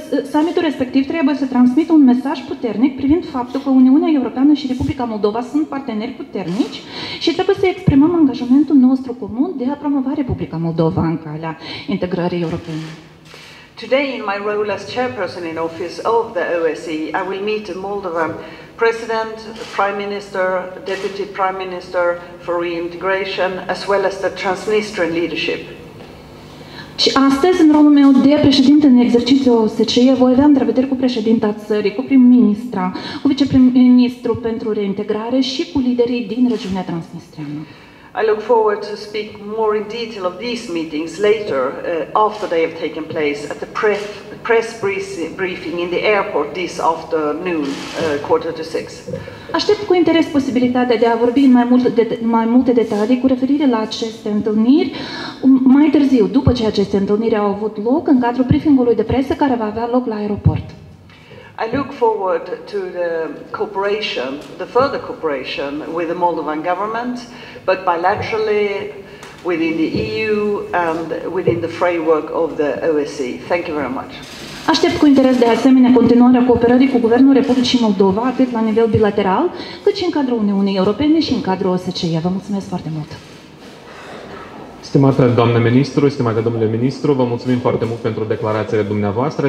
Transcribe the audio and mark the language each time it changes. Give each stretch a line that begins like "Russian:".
Romanian: Summitul respectiv trebuie să transmită un mesaj puternic privind faptul că Uniunea Europeană și Republica Moldova sunt parteneri puternici și trebuie să exprimăm angajamentul nostru comun de a promova Republica Moldova în calea integrării europene.
English: Today, in my role as chairperson in office of the OSCE, I will meet the Moldovan president, prime minister, deputy prime minister for reintegration, as well as the Transnistrian leadership.
Romanian: Și astăzi, în rolul meu de președinte în exercițiu OSCE, voi avea întrevederi cu președinta țării, cu prim-ministra, cu viceprim-ministru pentru reintegrare și cu liderii din regiunea transnistriană.
English: I look forward to speak more in detail of these meetings later, after they have taken place at the press briefing in the airport this afternoon, 5:45.
Romanian: Aștept cu interes posibilitatea de a vorbi în mai multe detalii cu referire la aceste întâlniri mai târziu, după ce aceste întâlniri au avut loc în cadrul briefingului de presă care va avea loc la aeroport.
English: I look forward to the cooperation, the further cooperation with the Moldovan government, but bilaterally within the EU and within the framework of the OSCE. Thank you very much.
Romanian: Aștept cu interes de asemenea continuarea cooperării cu Guvernul Republicii Moldova, atât la nivel bilateral, cât și în cadrul Uniunii Europene și în cadrul OSCE. Vă mulțumesc foarte mult! Stimată doamnă ministru, stimate domnule ministru, vă mulțumim foarte mult pentru declarațiile dumneavoastră.